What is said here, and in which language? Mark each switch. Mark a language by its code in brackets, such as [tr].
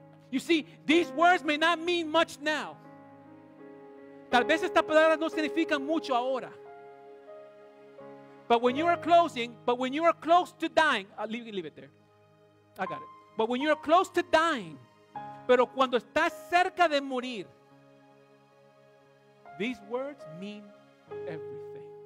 [en] You see, these words may not mean much now. [es] Tal vez estas palabras no significan mucho ahora. [en] But when you are closing, but when you are close to dying, leave it there. I got it. But when you are close to dying, [es] pero cuando estás cerca de morir, [en] these words mean everything.